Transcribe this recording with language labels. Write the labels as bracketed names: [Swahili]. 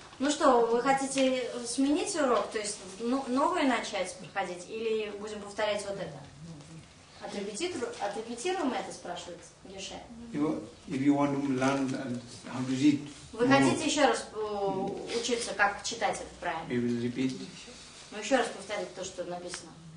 [Russian] Ну что, вы хотите сменить урок, то есть новое начать проходить, или будем повторять вот это? Отрепетируем это, спрашивает Геше. [English] If you want to learn how to read. [Russian] Вы хотите еще раз учиться, как читать это правильно? [English] We will repeat. [Russian] Ну еще раз повторить то, что написано.